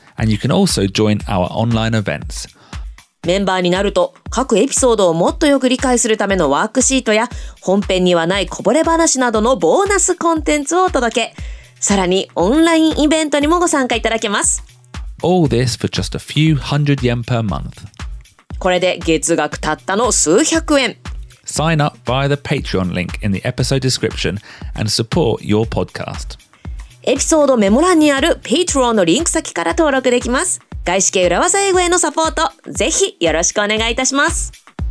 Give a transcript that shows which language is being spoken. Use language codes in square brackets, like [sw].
[en] And you can also join our online events. [ja] メンバーになると各エピソードをもっとよく理解するためのワークシートや本編にはないこぼれ話などのボーナスコンテンツをお届け。さらにオンラインイベントにもご参加いただけます。 [en] All this for just a few hundred yen per month. [ja] これで月額たったの数百円。 [en] Sign up via the Patreon link in the episode description and support your podcast. [ja] エピソードメモ欄にある Patreon のリンク先から登録できます。外資系裏技英語へのサポート、ぜひよろしくお願いいたします。